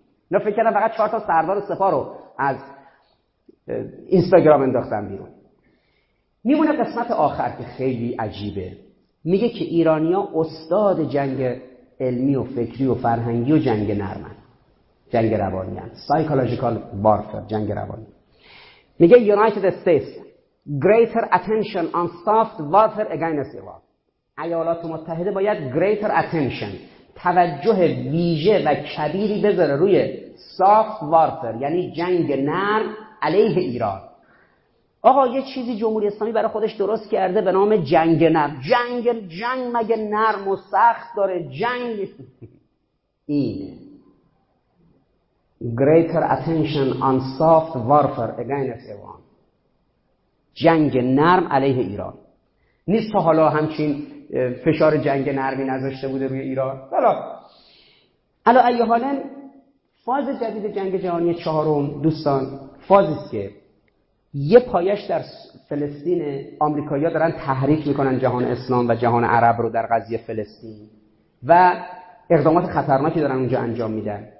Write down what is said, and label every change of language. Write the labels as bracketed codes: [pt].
[fa] اینا فکر کردن فقط 4 تا سردار سپاه رو از اینستاگرام انداختن بیرون. میمونه قسمت آخر که خیلی عجیبه. میگه که ایرانی‌ها استاد جنگ علمی و فکری و فرهنگی و جنگ نرمن، جنگ روانی هست، سایکولوژیکال وارفر، جنگ روانی. میگه [en] United States greater attention on soft warfare against Iran. [fa] ایالات متحده باید [en] greater attention، [fa] توجه ویژه و کبیری بذاره روی [en] soft warfare، [fa] یعنی جنگ نرم علیه ایران. آقا یه چیزی جمهوری اسلامی برای خودش درست کرده به نام جنگ نرم. جنگ مگه نرم و سخت داره؟ جنگ اینه. [en] Greater attention on soft warfare against Iran. [fa] جنگ نرم علیه ایران. نیست تا حالا همچین فشار جنگ نرمی نذاشته بوده روی ایران. حالا علی حالا فاز جدید جنگ جهانی چهارم دوستان فازیه که یه پایش در فلسطین، آمریکایی‌ها دارن تحریک میکنن جهان اسلام و جهان عرب رو در قضیه فلسطین و اقدامات خطرناکی دارن اونجا انجام میدن.